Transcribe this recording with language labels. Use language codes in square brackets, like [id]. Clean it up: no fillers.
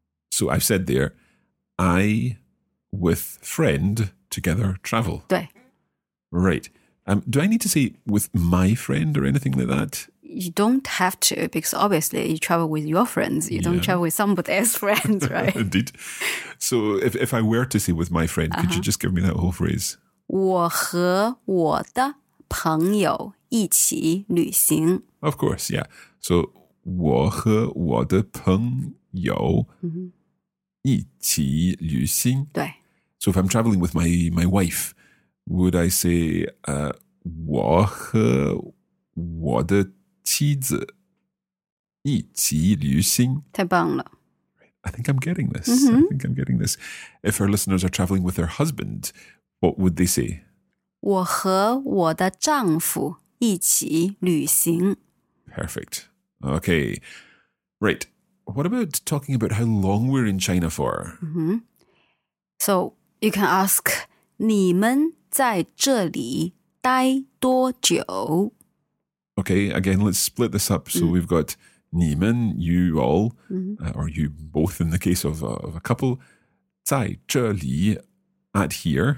[en] So I've said there, I with friend together travel. [zh] 对. [en] Right. Do I need to say with my friend or anything like that? You don't have to, because obviously you travel with your friends. You don't travel with somebody's friends, right? Indeed. So if I were to say with my friend, uh-huh. could you just give me that whole phrase? [zh] 我和我的朋友一起旅行. [en] Of course, yeah. [zh] So 我和我的朋友一起旅行. 对. [en] So if I'm traveling with my wife, would I say [zh] 我和我的 妻子一起旅行. 太棒了. [en] I think I'm getting this. Mm-hmm. I think I'm getting this. If our listeners are traveling with their husband, what would they say? [zh] 我和我的丈夫一起旅行. [en] Perfect. Okay. Right. What about talking about how long we're in China for? [zh] Mm-hmm. [en] So you can ask, [zh] 你们在这里待多久? [en] Okay, again, let's split this up. So we've got 你们, you all, or you both in the case of a couple, [zh] 在这里, [en] at here.